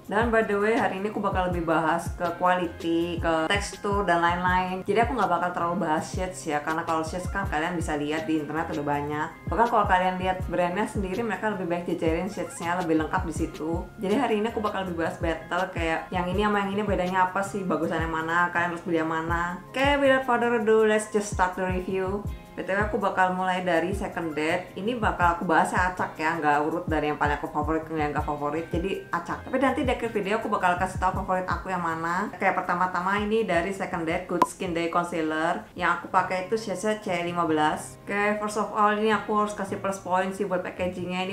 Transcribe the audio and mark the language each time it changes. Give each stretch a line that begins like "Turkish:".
Indonesian: Dan
English: by the way,
Indonesian: hari ini aku bakal lebih bahas ke quality, ke tekstur dan lain-lain. Jadi aku nggak bakal terlalu bahas shades ya, karena kalau shades kan kalian bisa lihat di internet udah banyak. Bahkan kalau kalian lihat brandnya sendiri, mereka lebih baik jajarin shadesnya lebih lengkap di situ. Jadi hari ini aku bakal lebih bahas battle kayak yang ini sama yang ini bedanya apa sih, bagusannya mana, kalian harus beli yang mana.
English: Oke, without further ado, let's just start the review.
Indonesian: BTW aku bakal mulai dari Second Date. Ini bakal aku bahas acak ya, nggak urut dari yang paling aku favorit ke yang gak favorit. Jadi acak. Tapi nanti di akhir video aku bakal kasih tau favorit aku yang mana. Kayak pertama-tama ini dari Second Date Good Skin Day Concealer. Yang aku pakai itu shade C15. Oke,
English: first of all
Indonesian: ini aku harus kasih plus point sih buat packagingnya.